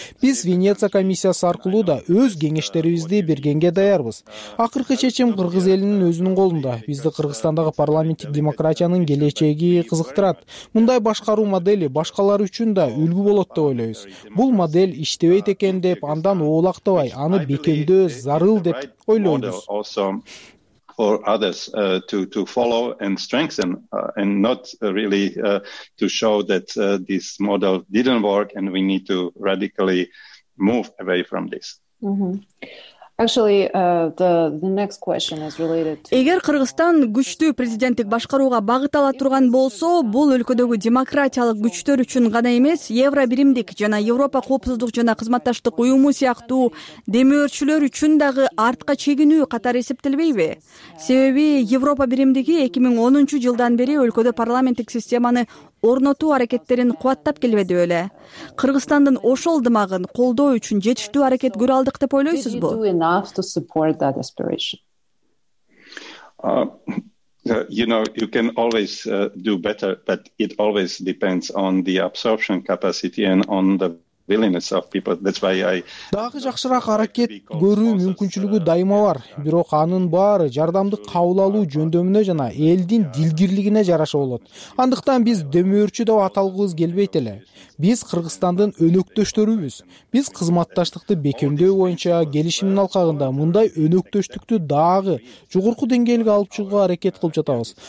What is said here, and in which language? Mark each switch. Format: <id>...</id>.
<ky>Биз Венеция комиссиясы аркылуу да өз кеңештерибизди бергенге даярбыз. Акыркы чечим кыргыз элинин өзүнүн колунда. Бизди Кыргызстандагы парламенттик демократиянын келечеги кызыктырат. Мындай башкаруу модели башкалар үчүн да үлгү болот деп ойлойбуз. Бул модель иштебейт экен деп, андан оолактабай, аны бекемдөө зарыл деп ойлойбуз.</ky> <en>For others to follow and strengthen and not really to show that this model didn't work and we need to radically move away from this. Actually the next question is related to</en> <ky>Эгер Кыргызстан күчтүү президенттик башкарууга багытала турган болсо, бул өлкөдөгү демократиялык күчтөр үчүн гана эмес, Евробиримдик жана Европа коопсуздук жана кызматташтык уюму сыяктуу демөөрчүлөр үчүн дагы артка чегинүү катары эсептелбейби? Себеби Европа Биримдиги 2010 жылдан бери өлкөдө парламенттик системаны орнотуу аракеттерин кубаттап келбеди беле? Кыргызстандын ошол дымагын колдоо үчүн жетиштүү аракет көрө алдык деп ойлойсузбу?</ky> <en>Enough to support that aspiration. You know, you can always do better, but it always depends on the absorption capacity and on the willingness of people. That's why I</en> <ky>дагы жакшыраак аракет көрүү мүмкүнчүлүгү дайыма бар, бирок анын баары жардамды кабыл алуу жөндөмүнө жана элдин дилгирлигине жараша болот. Андыктан биз демөөрчү деп аталгыбыз келбейт эле. Биз Кыргызстандын өнөктөштөрүбүз. Биз кызматташтыкты бекемдөө боюнча келишимдин алкагында мындай өнөктөштүктү дагы жогорку деңгээлге алып чыгууга аракет кылып жатабыз.</ky>